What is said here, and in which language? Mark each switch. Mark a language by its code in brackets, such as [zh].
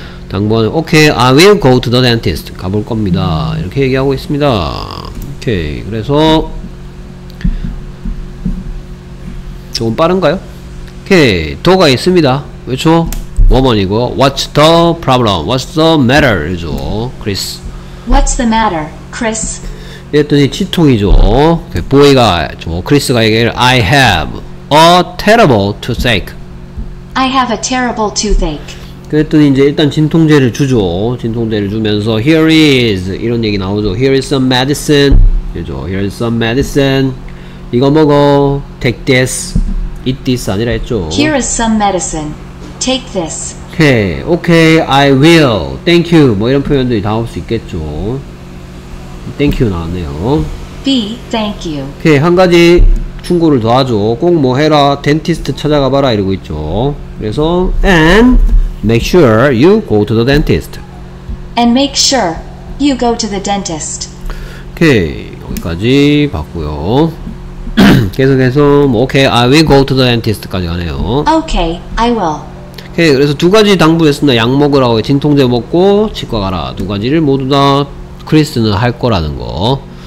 [en] 당번 Okay, I will go to the dentist. [ko] 가볼 겁니다. 이렇게 얘기하고 있습니다. Okay, 그래서 조금 빠른가요? Okay, 도가 있습니다. 그렇죠? 워먼이고 [en] What's the problem? What's the matter? 이죠, Chris. What's the matter, Chris? [ko] 이랬더니 치통이죠. 그 보이가 크리스가 얘기를 [en] I have a terrible toothache. I have a terrible toothache. [ko] 그랬더니 이제 일단 진통제를 주죠. 진통제를 주면서 here is 이런 얘기 나오죠. [en] Here is some medicine. [ko] 그죠? [en] Here is some medicine. [ko] 이거 먹어. [en] Take this. Eat this [ko] 아니라 했죠. [en] Here is some medicine. Take this. [ko] 오케이 오케이 [en] I will thank you [ko] 뭐 이런 표현들이 나올 수 있겠죠. thank you 나왔네요. [en] be thank you. [ko] 오케이 한 가지 충고를 더 하죠. 꼭 뭐 해라 덴티스트 찾아가 봐라 이러고 있죠. [en] 그래서 and make sure you go to the dentist. and make sure you go to the dentist. [ko] 오케이 여기까지 봤고요. 계속해서 뭐 오케이 [en] I will go to the dentist [ko] 까지 가네요. [en] okay I will. [ko] 오케이 그래서 두 가지 당부했습니다. 약 먹으라고 진통제 먹고 치과 가라 두 가지를 모두 다 크리스는 할 거라는 거.